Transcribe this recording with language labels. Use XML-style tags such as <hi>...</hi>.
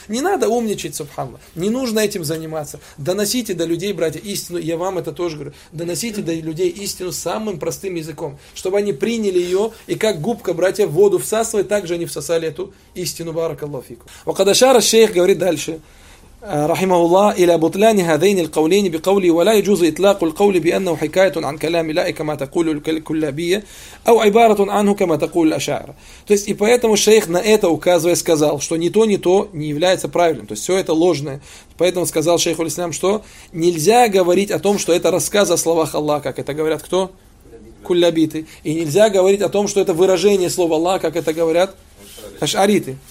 <ru>Не надо умничать, субхана. Не нужно этим заниматься. Доносите до людей, братья, истину. Я вам это тоже говорю. Доносите до людей истину самым простым языком, чтобы они приняли ее, и как губка, братья, в воду всасывает, так же они всосали эту истину.</ru> <ar>Баракаллаху фику. Ва кад ашара</ar> <ru>шейх говорит дальше.</ru> <ar>رحمه الله إلى بطلان هذين القولين بقوله ولا يجوز إطلاق القول بأنه حكاية عن كلام الله كما تقول الكلابية أو عبارة عنه كما تقول الأشاعرة.</ar> <ru>То есть и поэтому шейх на это указывая сказал, что ни то не является правильным, то есть все это ложное. Поэтому сказал шейх ислам, что нельзя говорить о том, что это рассказ о словах Аллаха, как это говорят кто? Куллябиты. И нельзя говорить о том, что это выражение слова Аллаха, как это говорят ашариты.</ru>